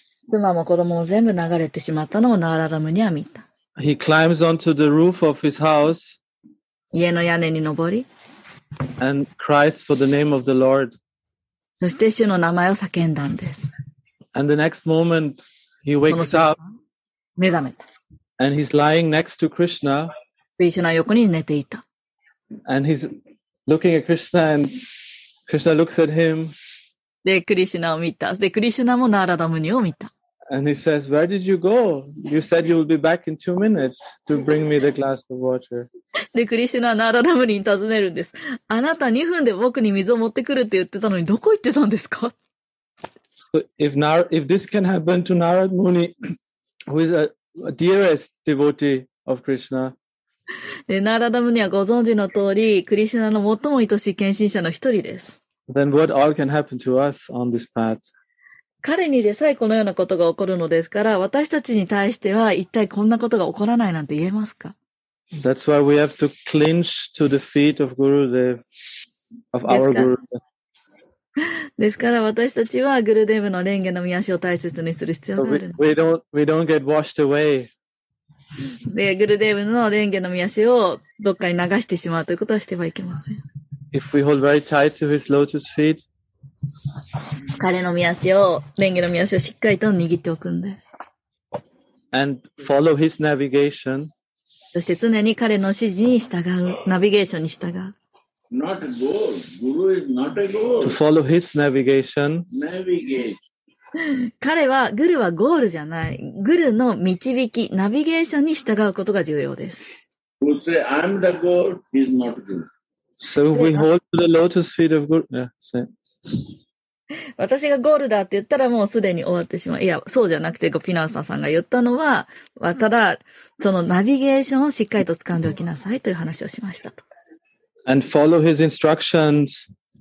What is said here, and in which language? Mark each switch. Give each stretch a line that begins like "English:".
Japanese: 妻も子供も全部流れてしまったのをナーラダムには見た。
English: He climbs onto the roof of his house.
Japanese: 家の屋根に登り。
English: And cries for the name of the Lord.
Japanese: そして主の名前を叫んだんです。
English: And the next moment, he wakes up.
Japanese: 目覚めた。
English: And he's lying next to Krishna.
Japanese: クリシュナ横に寝ていた。
English: And he's looking at Krishna and Krishna looks at him.
Japanese: で、クリシュナを見た。で、クリシュナもナーラダムニを見た。
English: And he says, where did you go? You said you would be back in 2 minutes to bring me the glass of water.
Japanese: で、クリシュナはナーラダムニに尋ねるんです。あなた2分で僕に水を持ってくるって言ってたのに、どこ行ってたんですか？
English: So if this can happen to Narad Muni, who is a dearest devotee of Krishna.
Japanese: で、ナーラダムニはご存知の通り、クリシュナの最も愛しい献身者の一人です。
English: Then what all can happen to us on this path?
Japanese: 彼にでさえこのようなことが起こるのですから、私たちに対しては一体こんなことが起こらないなんて言えますか？
English: That's why we have to clinch to the feet of Gurudev, of our Gurudev.
Japanese: ですから私たちはグルデーブの蓮華の御足を大切にする必要がある。
English: So we don't get washed away.
Japanese: で、グルデーブの蓮華の御足をどっかに流してしまうということはしてはいけません。
English: If we hold very tight to his lotus feet,
Japanese: 彼の御足を、蓮華の御足をしっかりと握っておくんです。
English: And follow his navigation.
Japanese: そして常に彼の指示に従う、ナビゲーションに従う。
English: Not a goal. Guru is not a goal. To follow his navigation. Navigate.
Japanese: 彼は、グルはゴールじゃない。グルの導き、ナビゲーションに従うことが重要です。
English: Who say, I'm the goal, he's not a goal. So if we hold to the lotus feet of Guru, yeah, say.
Japanese: 私がゴールだって言ったらもうすでに終わってしまう。いや、そうじゃなくて、ピナーサーさんが言ったのは、ただ、そのナビゲーションをしっかりと掴んでおきなさいという話をしましたと。
English: And follow his instructions.